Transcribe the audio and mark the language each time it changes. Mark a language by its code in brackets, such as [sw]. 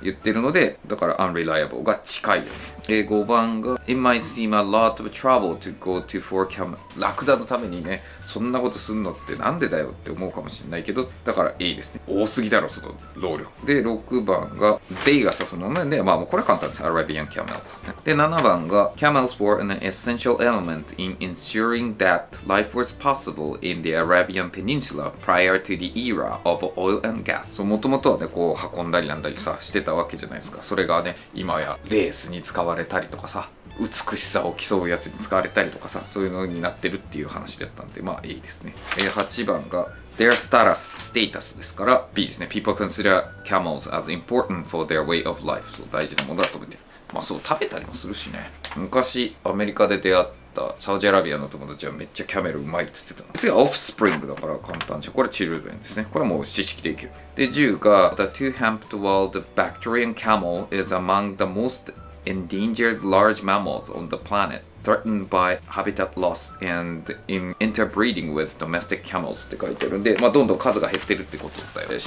[ja] 言ってるので、だから unreliable が近いよね。5番が [en] It might seem a lot of trouble to go to 4 camera。 [ja] ラクダのためにね、そんなことすんのってなんでだよって思うかもしれないけど、だから A ですね。多すぎだろその労力で。6番が They が指すのね、まあこれは簡単です。 Arabian camels ね。 [en] で、7番が Camels were an essential element in ensuring that life was possible in the Arabian Peninsula prior to the era of oil and gas。 [ja] もともとはね、こう運んだりなんだりさしてたわけじゃないですか。それがね、今やレースに使われたりとかさ、美しさを競うやつに使われたりとかさ、そういうのになってるっていう話だったんで、まあ A ですね。 8番が [en] Their status、 [ja] ステータスですから B ですね。 [en] People consider camels as important for their way of life。 [ja] そう、大事なものだと思って、まあそう、食べたりもするしね。昔アメリカで出会ったサウジアラビアの友達はめっちゃキャメルうまいって言ってた。次はオフスプリングだから簡単でしょ。これチルドレンですね。これもう知識でいける。 [en] で、10が The two-humped wild Bactrian camel is among the mostEndangered large mammals on the planet, threatened by habitat loss and in interbreeding with domestic camels [ja] って書いてるんで、まあどんどん数が減ってるってことだよ。